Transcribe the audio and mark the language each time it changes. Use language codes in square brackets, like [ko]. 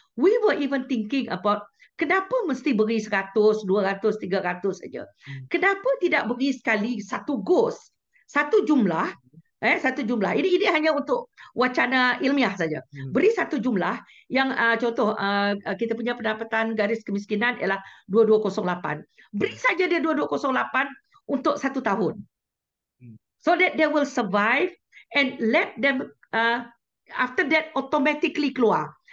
[en] We were even thinking about, [ms] kenapa mesti beri 100, 200, 300 saja? Kenapa tidak beri sekali satu gos, satu jumlah, satu jumlah. Ini hanya untuk wacana ilmiah saja. Beri satu jumlah yang contoh kita punya pendapatan garis kemiskinan ialah 2208. Beri saja dia 2208 untuk satu tahun. [en] So that they will survive and let them after that automatically [ms] keluar.